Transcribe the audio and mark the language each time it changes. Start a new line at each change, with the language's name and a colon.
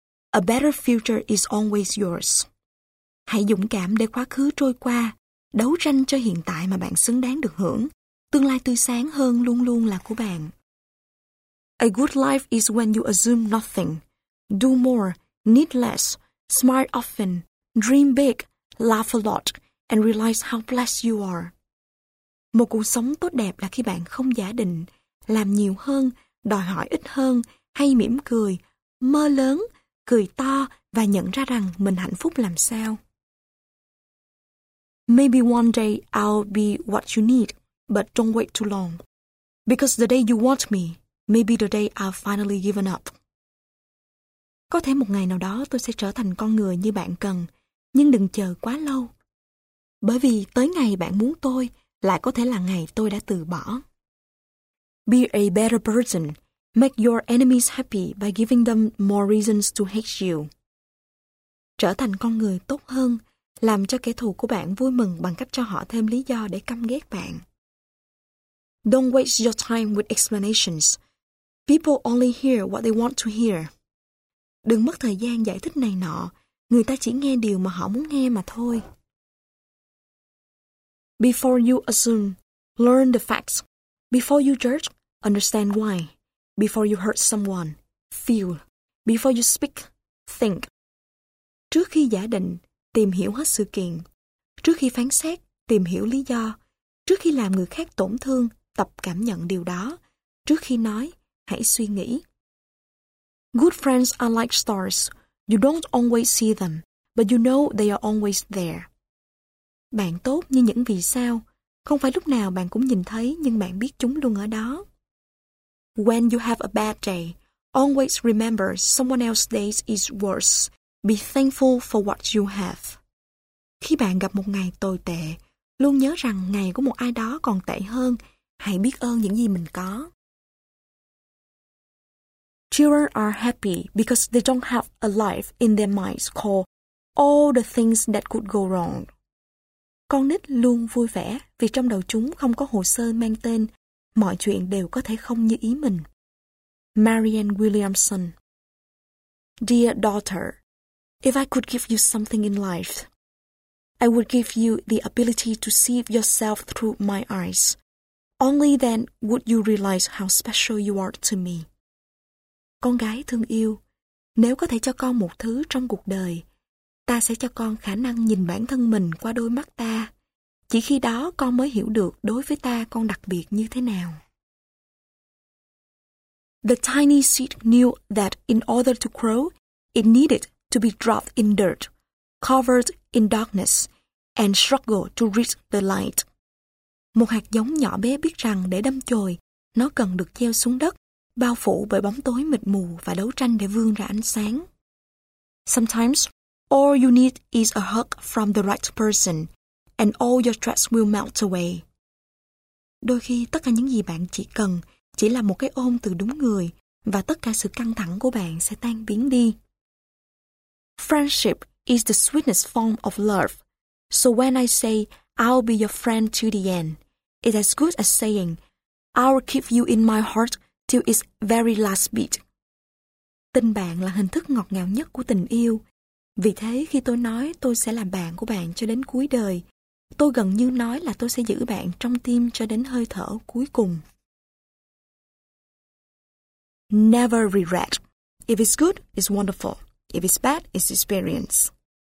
English: A better future is always yours.
Vietnamese: Hãy dũng cảm để quá khứ trôi qua, đấu tranh cho hiện tại mà bạn xứng đáng được hưởng. Tương lai tươi sáng hơn luôn luôn là của bạn.
English: A good life is when you assume nothing. Do more, need less, smile often, dream big, laugh a lot, and realize how blessed you are.
Vietnamese: Một cuộc sống tốt đẹp là khi bạn không giả định, làm nhiều hơn, đòi hỏi ít hơn, hay mỉm cười, mơ lớn, cười to và nhận ra rằng mình hạnh phúc làm sao.
English: Maybe one day I'll be what you need, but don't wait too long. Because the day you want me, maybe the day I've finally given up.
Vietnamese: Có thể một ngày nào đó tôi sẽ trở thành con người như bạn cần, nhưng đừng chờ quá lâu. Bởi vì tới ngày bạn muốn tôi, lại có thể là ngày tôi đã từ bỏ.
English: Be a better person. Make your enemies happy by giving them more reasons to hate you.
Vietnamese: Trở thành con người tốt hơn, làm cho kẻ thù của bạn vui mừng bằng cách cho họ thêm lý do để căm ghét bạn.
English: Don't waste your time with explanations. People only hear what they want to hear.
Vietnamese: Đừng mất thời gian giải thích này nọ, người ta chỉ nghe điều mà họ muốn nghe mà thôi.
English: Before you assume, learn the facts. Before you judge, understand why. Before you hurt someone, feel. Before you speak, think.
Vietnamese: Trước khi giả định, tìm hiểu hết sự kiện. Trước khi phán xét, tìm hiểu lý do. Trước khi làm người khác tổn thương, tập cảm nhận điều đó. Trước khi nói, hãy suy nghĩ.
English: Good friends are like stars. You don't always see them, but you know they are always there.
Vietnamese: Bạn tốt như những vì sao. Không phải lúc nào bạn cũng nhìn thấy, nhưng bạn biết chúng luôn ở đó.
English: When you have a bad day, always remember someone else's day is worse. Be thankful for what you have.
Vietnamese: Khi bạn gặp một ngày tồi tệ, luôn nhớ rằng ngày của một ai đó còn tệ hơn. Hãy biết ơn những gì mình có.
English: Children are happy because they don't have a life in their minds called all the things that could go wrong.
Vietnamese: Con nít luôn vui vẻ vì trong đầu chúng không có hồ sơ mang tên mọi chuyện đều có thể không như ý mình.
English: Marianne Williamson. Dear daughter, if I could give you something in life, I would give you the ability to see yourself through my eyes. Only then would you realize how special you are to me.
Vietnamese: Con gái thương yêu, nếu có thể cho con một thứ trong cuộc đời, ta sẽ cho con khả năng nhìn bản thân mình qua đôi mắt ta. Chỉ khi đó con mới hiểu được đối với ta con đặc biệt như thế nào.
English: The tiny seed knew that in order to grow, it needed to be dropped in dirt, covered in darkness, and struggle to reach the light.
Vietnamese: Một hạt giống nhỏ bé biết rằng để đâm chồi, nó cần được gieo xuống đất, bao phủ bởi bóng tối mịt mù và đấu tranh để vươn ra ánh sáng.
English: Sometimes, all you need is a hug from the right person, and all your stress will melt away.
Vietnamese: Đôi khi tất cả những gì bạn chỉ cần chỉ là một cái ôm từ đúng người và tất cả sự căng thẳng của bạn sẽ tan biến đi.
English: Friendship is the sweetest form of love. So when I say I'll be your friend to the end, it's as good as saying I'll keep you in my heart till its very last beat.
Vietnamese: Tình bạn là hình thức ngọt ngào nhất của tình yêu. Vì thế khi tôi nói tôi sẽ làm bạn của bạn cho đến cuối đời, Tôi gần như nói là tôi sẽ giữ bạn trong tim cho đến hơi thở cuối cùng.
English: Never regret. If it's good, it's wonderful. If it's bad, it's experience.